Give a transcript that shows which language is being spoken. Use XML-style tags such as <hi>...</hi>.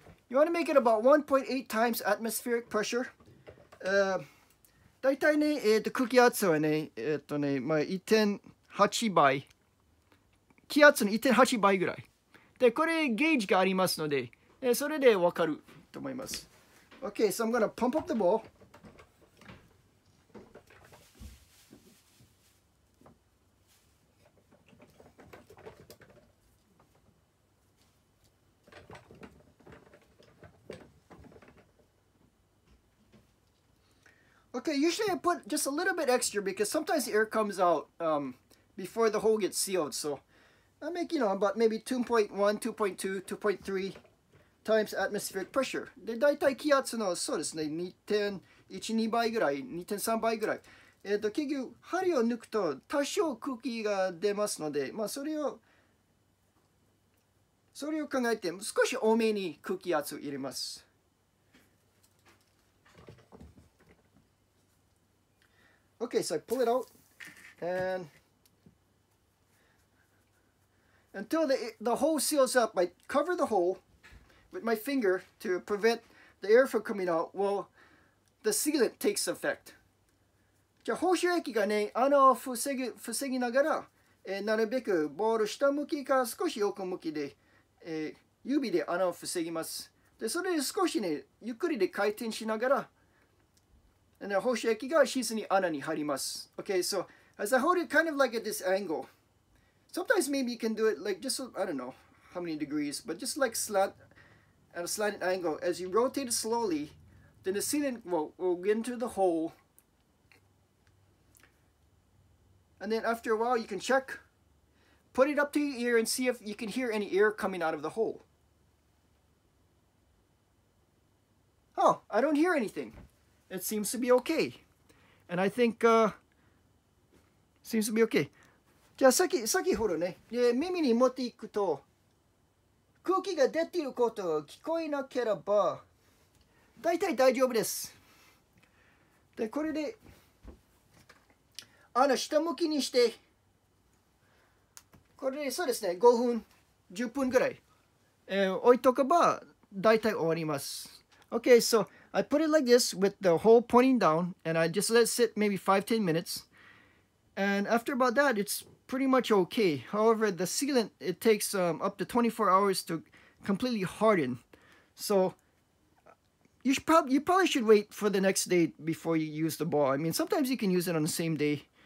<en>You want to make it about 1.8 times atmospheric pressure.</en> <ja>だいたいね、空気圧はね、まあ、1.8 倍。気圧の 1.8 倍ぐらい。で、これゲージがありますので、それでわかると思います。</ja> <en>Okay, so I'm gonna pump up the ball. Okay, usually I put just a little bit extra because sometimes the air comes out before the hole gets sealed. So I make, you know, about maybe 2.1, 2.2, 2.3 times atmospheric pressure.</en> <ja>で、大体気圧の、そうですね、2.1、2倍ぐらい、2.3 倍ぐらい。結局、針を抜くと多少空気が出ますので、まあ、それを考えて、少し多めに空気圧を入れます。</ja> <en>Okay, so I pull it out, and until the hole seals up, I cover the hole with my finger to prevent the air from coming out while the sealant takes effect.</en> <ja>じゃあ、放射液がね、穴を防ぎながら、なるべくボール下向きか少し横向きで、指で穴を防ぎます。で、それで少しね、ゆっくりで回転しながら、</ja> <en>And the</en> <ja>放射液が沈み穴に入ります。</ja> <en>Okay, so as I hold it kind of like at this angle, sometimes maybe you can do it like just, I don't know how many degrees, but just like slant at a slanted angle. As you rotate it slowly, then the sealant will get into the hole. And then after a while, you can check, put it up to your ear and see if you can hear any air coming out of the hole. Oh, I don't hear anything. It seems to be okay. And I think, seems to be okay.</en> <ja>じゃあ先ほどね、耳に持っていくと空気が出ていることを聞こえなければ大体大丈夫です。でこれで下向きにしてこれでそうですね5分10分ぐらい、置いとけば大体終わります。</ja> <en>OK, so I put it like this with the hole pointing down and I just let it sit maybe 5-10 minutes and after about that it'sPretty much okay. However, the sealant, it takes up to 24 hours to completely harden. So you probably should wait for the next day before you use the ball. I mean, sometimes you can use it on the same day.</en>